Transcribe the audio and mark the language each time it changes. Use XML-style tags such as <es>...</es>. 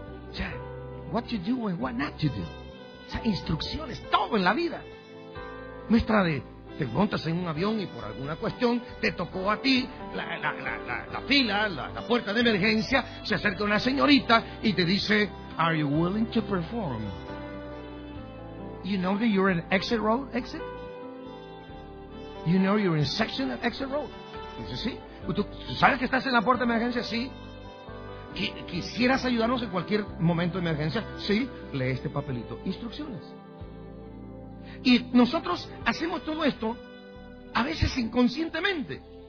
<es>O sea,</es> <en>what to do and what not to do.</en> <es>O sea, instrucciones, todo en la vida. Muestra de, te montas en un avión y por alguna cuestión te tocó a ti la fila, la puerta de emergencia, se acerca una señorita y te dice...</es> <en>Are you willing to perform? You know that you're in exit row? Exit? You know you're in section of exit row?</en> <es>Dice, sí. ¿Tú sabes que estás en la puerta de emergencia? Sí. ¿Quisieras ayudarnos en cualquier momento de emergencia? Sí. Lee este papelito. Instrucciones. Y nosotros hacemos todo esto a veces inconscientemente.</es>